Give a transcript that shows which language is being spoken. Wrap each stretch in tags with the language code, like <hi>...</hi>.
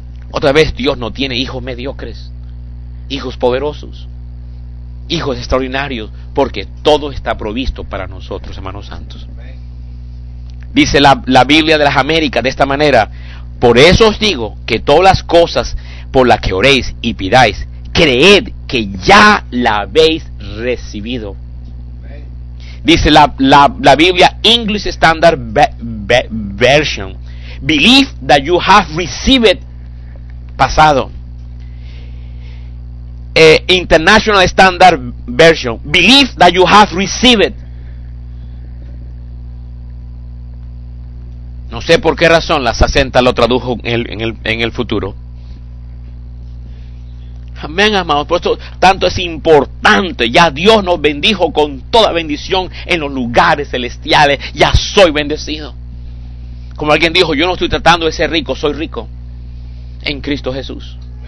<es>Otra vez, Dios no tiene hijos mediocres, hijos poderosos, hijos extraordinarios, porque todo está provisto para nosotros, hermanos santos. Dice la Biblia de las Américas de esta manera: por eso os digo que todas las cosas por las que oréis y pidáis, creed que ya la habéis recibido. Dice la Biblia</es> <en>English Standard Version: believe that you have received,</en> <es>pasado.</es> <en>International Standard Version: believe that you have received.</en> <es>No sé por qué razón la 60 lo tradujo en el futuro. Amén, amados. Por eso tanto es importante. Ya Dios nos bendijo con toda bendición en los lugares celestiales. Ya soy bendecido. Como alguien dijo, yo no estoy tratando de ser rico, soy rico en Cristo Jesús.</es>